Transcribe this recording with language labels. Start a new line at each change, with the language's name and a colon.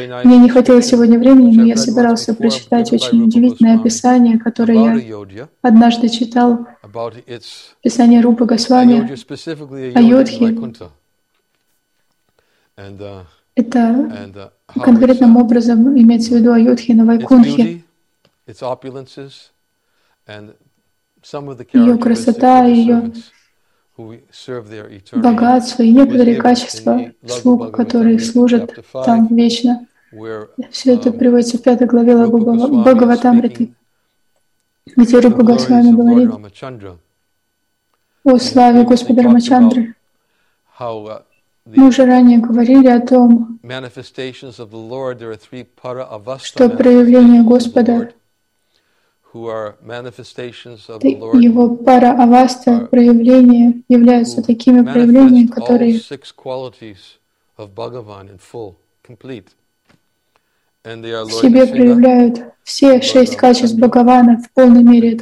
Russian: Мне не хватило сегодня времени, но я собирался прочитать очень удивительное описание, которое я однажды читал, описание Рупы Госвами Айодхи. Это конкретным образом имеется в виду Айодхи на Вайкунтхе.
English: Its opulences and some of the characteristics of the servants who serve there eternally.
Russian: Служат там вечно. Все это приводится в пятой главе Бхагаватамриты, где Рупа Госвами говорит о славе Господа Рамачандры. Мы уже ранее говорили о том, что проявление Господа, его пара аваста проявления являются такими проявлениями, которые в себе проявляют все шесть качеств Бхагавана в полной мере.